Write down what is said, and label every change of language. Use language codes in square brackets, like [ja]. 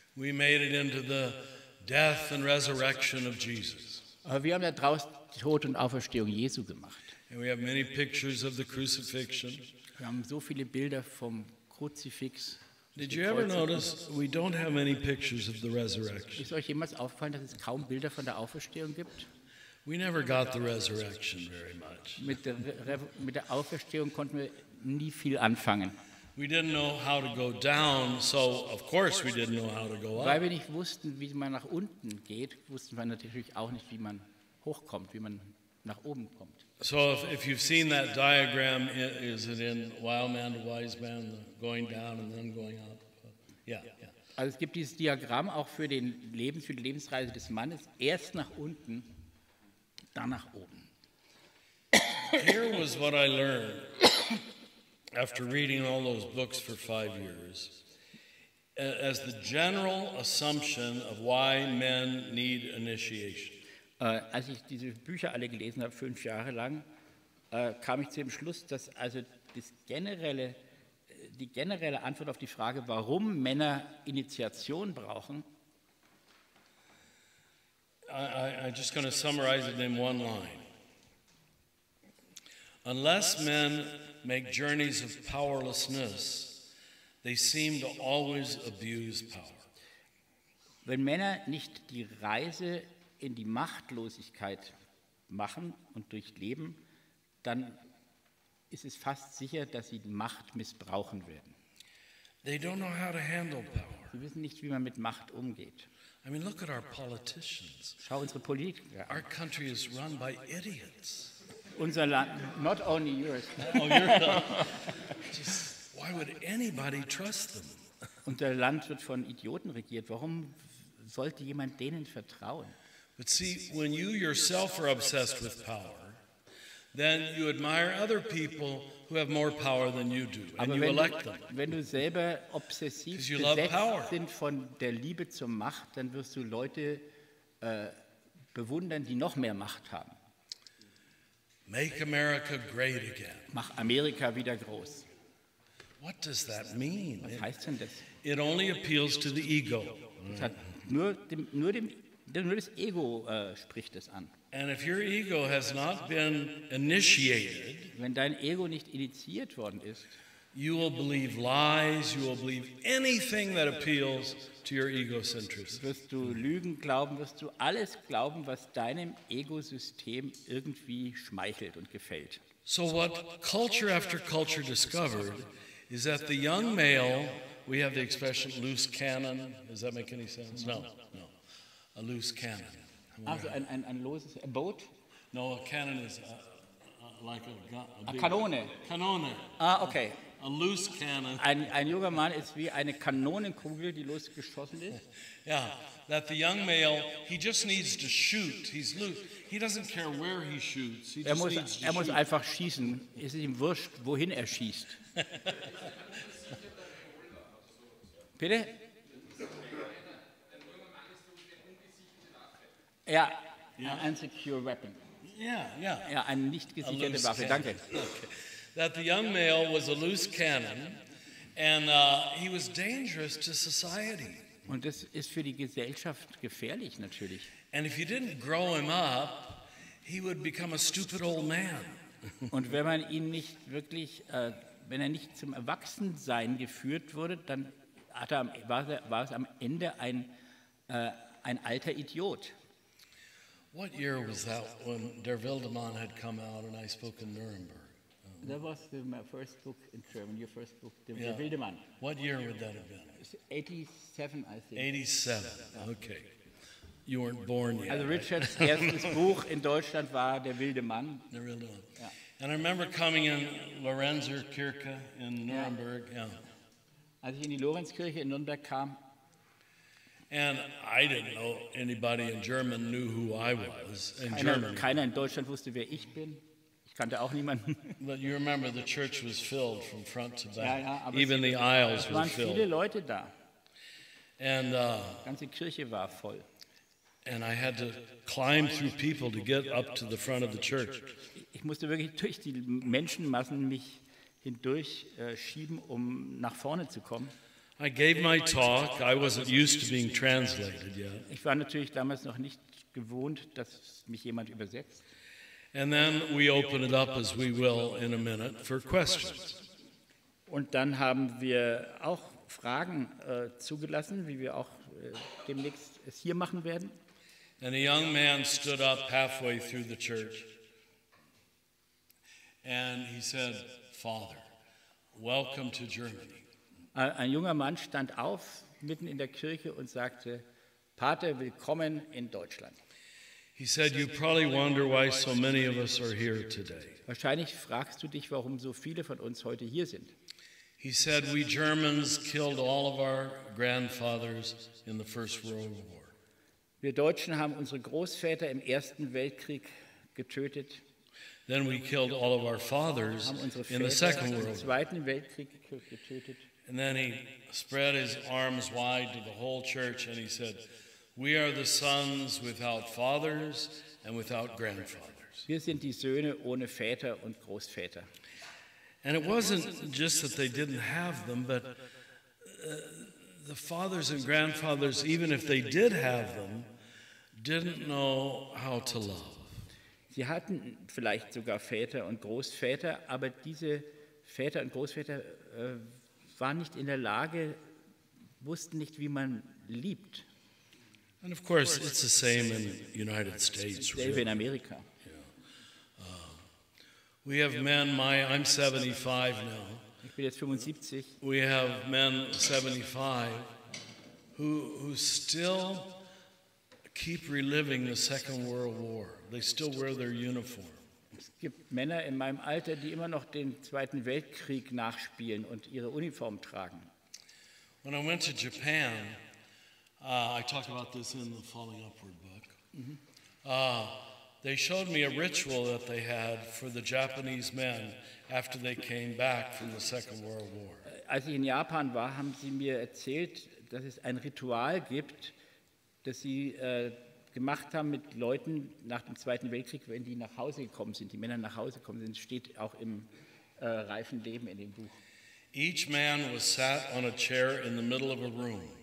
[en] We made it into the death and resurrection of Jesus. [de] Aber wir haben ja draus Tod und Auferstehung Jesu gemacht. [en] And we have many pictures of the crucifixion. [de] Wir haben so viele Bilder vom Kruzifix. [en] Did you ever notice we don't have many pictures of the resurrection? [de] Ist euch jemals aufgefallen, dass es kaum Bilder von der Auferstehung gibt? [en] We never got the resurrection very much. [de] Mit der Auferstehung konnten wir nie viel anfangen. [en] We didn't know how to go down, so of course we didn't know how to go up. [de] Weil wir nicht wussten, wie man nach unten geht, wussten wir natürlich auch nicht, wie man hochkommt, wie man nach oben kommt. [en] So if you've seen that diagram, is it in Wild Man to Wise Man, going down and then going up? Yeah. [de] Also es gibt dieses Diagramm auch für die Lebensreise des Mannes, erst nach unten, dann nach oben. [en] Here was what I learned. After reading all those books for 5 years, as the general assumption of why men need initiation. [de] Als ich diese Bücher alle gelesen habe, 5 Jahre lang, kam ich zu dem Schluss, dass also die generelle Antwort auf die Frage, warum Männer Initiation brauchen. [en] I'm just going to summarize it in one line. Unless men make journeys of powerlessness, they seem to always abuse power. [de] Wenn Männer nicht die Reise in die Machtlosigkeit machen und durchleben, dann ist es fast sicher, dass sie Macht missbrauchen werden. [en] They don't know how to handle power. [de] Sie wissen nicht, wie man mit Macht umgeht. [en] I mean, look at our politicians. [de] Schau unsere Politiker an. [en] Our country is run by idiots. [de] unser Land. [en] Not only yours. Why would anybody trust them? [de] Unser Land wird von Idioten regiert. Warum sollte jemand denen vertrauen? [en] But see, when you yourself are obsessed with power, then you admire other people who have more power than you do, and you elect them. [de] Wenn du selber obsessiv besessen von der Liebe zur Macht, dann wirst du Leute bewundern, die noch mehr Macht haben. [en] Make America great again. [de] Mach Amerika wieder groß. [en] What does that mean? [de] Was heißt denn das? [en] It only appeals to the ego. [de] Es hat nur das Ego spricht es an. [en] And if your ego has not been initiated, [de] wenn dein Ego nicht initiiert worden ist, [en] you will believe lies, you will believe anything that appeals to your egocentricity. [de] Wirst du Lügen glauben, wirst du alles glauben, was deinem Ego-System irgendwie schmeichelt und gefällt. [en] So what culture after culture discovered is that the young male, we have the expression loose cannon, does that make any sense? No. A loose cannon. [de] Also ein loses, [en] a boat? No, a cannon is like a gun. A Kanone. [de] Kanone. [en] Ah, okay. A loose cannon. [de] Ein junger Mann ist wie eine Kanonenkugel, die losgeschossen ist. [en] Yeah, that the young male, he just needs to shoot. He's loose. He doesn't care where he shoots. He just needs to shoot. [de] Er muss einfach schießen. Es ist ihm wurscht, wohin er schießt. Bitte? [en] Ja, yeah. An insecure weapon. Yeah. [de] Ja, eine nicht gesicherte Waffe. Danke. [en] Okay. That the young male was a loose cannon, and he was dangerous to society. [de] Und das ist für die Gesellschaft gefährlich natürlich. [en] And if you didn't grow him up, he would become a stupid old man. [de] Und wenn man ihn nicht wirklich, wenn er nicht zum Erwachsensein geführt wurde, dann war es am Ende ein alter Idiot. [en] What year was that when Der Wildemann had come out and I spoke in Nuremberg? That was my first book in German, your first book, Der Wildemann. What year would that have been? 87, I think. 87, okay. You weren't born yet. [de] Also Richards erstes Buch in Deutschland war Der Wildemann. [en] Der Wildemann. Yeah. And I remember coming in Lorenzerkirche in Nuremberg. Yeah. [de] Als ich in die Lorenzkirche in Nürnberg kam, [en] and I didn't know anybody in German knew who I was in [de] German. Keiner in Deutschland wusste, wer ich bin. Ich kannte auch niemanden. [en] But you remember the church was filled from front to back. [de] Ja, [en] even the aisles were filled. [de] Es waren viele Leute da. [en] And [de] die ganze Kirche war voll. [en] And I had to climb through people to get up to the front of the church. [de] Ich musste wirklich durch die Menschenmassen mich hindurch schieben, um nach vorne zu kommen. [en] I gave my talk. I wasn't used to being translated yet. [de] Ich war natürlich damals noch nicht gewohnt, dass mich jemand übersetzt. [en] And then we open it up, as we will in a minute, for questions. [de] Und dann haben wir auch Fragen zugelassen, wie wir auch demnächst es hier machen werden. [en] And a young man stood up halfway through the church, and he said, "Father, welcome to Germany." [de] Ein junger Mann stand auf mitten in der Kirche und sagte: "Pater, willkommen in Deutschland." [en] He said, "You probably wonder why so many of us are here today." [de] Wahrscheinlich fragst du dich, warum so viele von uns heute hier sind. [en] He said, "We Germans killed all of our grandfathers in the First World War." [de] Wir Deutschen haben unsere Großväter im Ersten Weltkrieg getötet. [en] Then we killed all of our fathers in the Second World War. [de] Im Zweiten Weltkrieg getötet. [en] And then he spread his arms wide to the whole church and he said, "We are the sons without fathers and without grandfathers." [de] Wir sind die Söhne ohne Väter und Großväter. [en] And it wasn't just that they didn't have them, but the fathers and grandfathers, even if they did have them, didn't know how to love. [de] Sie hatten vielleicht sogar Väter und Großväter, aber diese Väter und Großväter waren nicht in der Lage, wussten nicht, wie man liebt. [en] And of course, it's the same in the United States. [de] Selbe in Amerika. [en] Yeah. We have men, I'm 75 now. [de] Ich bin jetzt 75. [en] We have men 75 who still keep reliving the Second World War. They still wear their uniform. [de] Es gibt Männer in meinem Alter, die immer noch den Zweiten Weltkrieg nachspielen und ihre Uniform tragen. [en] When I went to Japan, I talk about this in the Falling Upward book. They showed me a ritual that they had for the Japanese men after they came back from the Second World War. [de] Als ich in Japan war, haben sie mir erzählt, dass es ein Ritual gibt, das sie gemacht haben mit Leuten nach dem Zweiten Weltkrieg, wenn die nach Hause gekommen sind, die Männer nach Hause gekommen sind. Das steht auch im reifen Leben in dem Buch. [en] Each man was sat on a chair in the middle of a room.